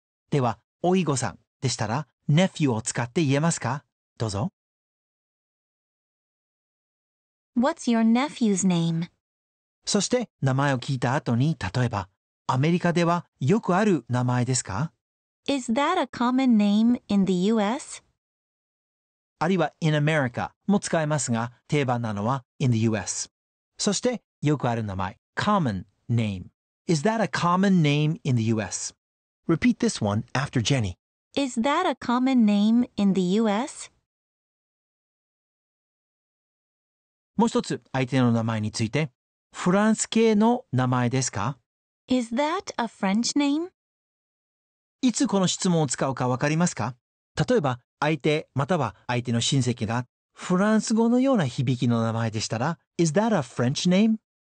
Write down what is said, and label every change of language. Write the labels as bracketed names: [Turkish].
[Japanese] では、おいごさんでしたらNephew を使って言えますか?どうぞ。 [English] What's your nephew's name? [Japanese] そして、名前を聞いた後に、例えば、アメリカではよくある名前ですか? [English] Is that a common name in the US? [Japanese] あるいは、 [English] in America [Japanese] も使えますが、定番なのは、 [English] in the US。 [Japanese] そして、よくある名前、 [English] common name。 Is that a common name in the US? Repeat this one after Jenny. Is that a common name in the US? [Japanese] もう一つ相手の名前について。フランス系の名前ですか? [English] Is that a French name? [Japanese] いつこの質問を使うかわかりますか?例えば相手または相手の親戚がフランス語のような響きの名前でしたら [English] Is that a French name?